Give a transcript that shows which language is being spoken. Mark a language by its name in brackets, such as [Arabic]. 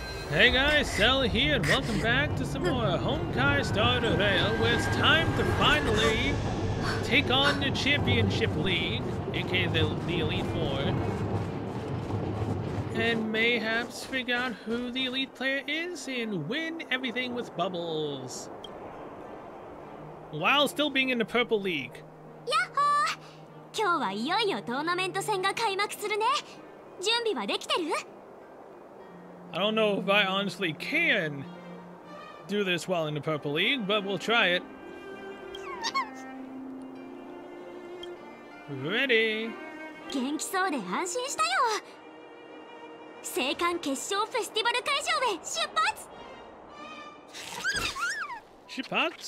[English] Hey guys, Sal here, welcome back to some more Honkai Starter Rail, where it's time to finally take on the Championship League, aka the Elite Four, and mayhaps figure out who the Elite Player is and win everything with bubbles, while still being in the Purple League. Yahoo! [Japanese] 今日はいよいよトーナメント戦が開幕するね! 準備はできてる? [English] I don't know if I honestly can do this while in the Purple League, but we'll try it. Ready? [Japanese] 元気そうで安心したよ! 青函決勝フェスティバル会場へ出発!